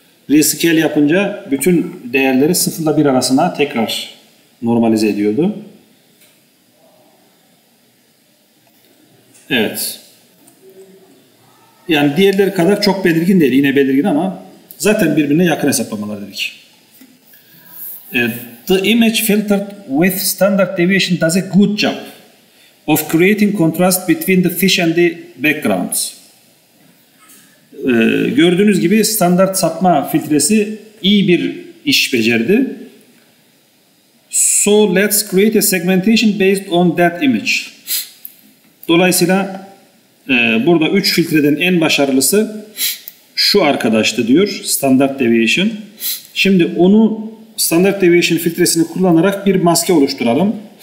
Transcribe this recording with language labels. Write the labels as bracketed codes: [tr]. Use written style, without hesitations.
[tr] Rescale yapınca bütün değerleri 0 ile 1 arasına tekrar normalize ediyordu. Evet. Yani diğerleri kadar çok belirgin değil. Yine belirgin ama zaten birbirine yakın hesaplamalar dedik. [en] The image filtered with standard deviation does a good job of creating contrast between the fish and the backgrounds. [tr] Gördüğünüz gibi standart sapma filtresi iyi bir iş becerdi. [en] So let's create a segmentation based on that image. [tr] Dolayısıyla burada 3 filtreden en başarılısı şu arkadaştı diyor, standard deviation. Şimdi onu standard deviation filtresini kullanarak bir maske oluşturalım.